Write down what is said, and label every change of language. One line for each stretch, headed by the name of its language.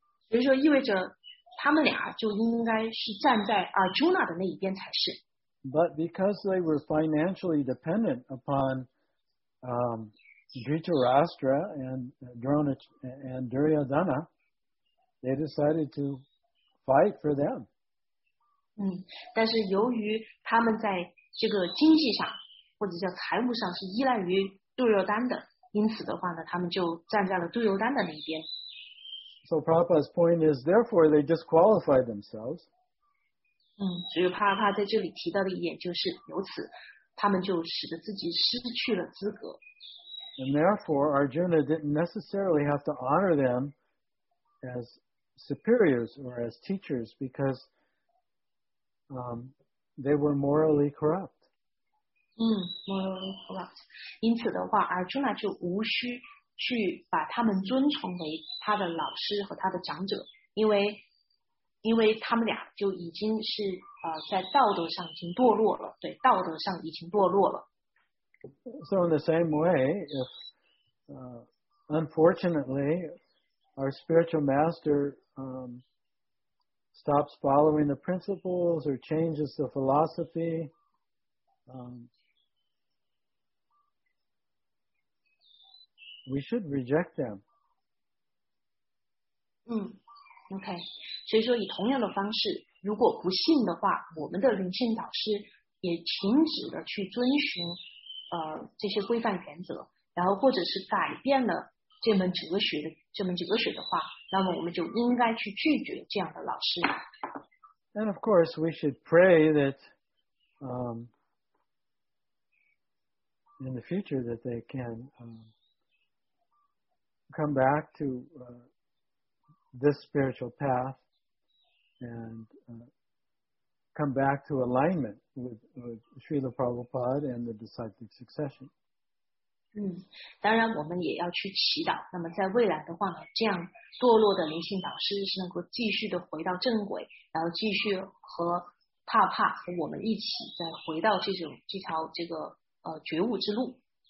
Chinese: 所以说意味着他们俩就应该是站在 Arjuna 的那一边才是。
English: But because they were financially dependent upon Dhritarashtra and Drona and Duryodhana, they decided to fight for them.
Chinese: 但是由于他们在这个经济上或者叫财务上是依赖于杜尤丹的，因此的话呢，他们就站在了杜尤丹的那一边。
English: So Prabhupada's point is, therefore, they disqualified themselves.
Chinese: 所以帕帕在这里提到的一点就是，由此他们就使得自己失去了资格。
English: And therefore, Arjuna didn't necessarily have to honor them as superiors or as teachers because they were morally corrupt. Morally corrupt.
Chinese: 因此的话 ，Arjuna 就无需。去把他们尊崇为他的老师和他的长者，因为他们俩就已经是在道德上已经堕落了，对，道德上已经堕落了。
English: So in the same way, if unfortunately our spiritual master stops following the principles or changes the philosophy, we should reject them. Okay.
Chinese: 所以说以同样的方式，如果不信的话，我们的灵性导师也停止了去遵循这些规范原则，然后或者是改变了这门哲学的话，那么我们就应该去拒绝这样的老师。
English: And of course, we should pray that in the future that they can come back to this spiritual path and come back to alignment with Srila Prabhupada and the disciple succession.
Chinese: 当然我们也要去祈祷，那么在未来的话，这样堕落的灵性导师是能够继续的回到正轨，然后继续和帕帕和我们一起再回到这条觉悟之路。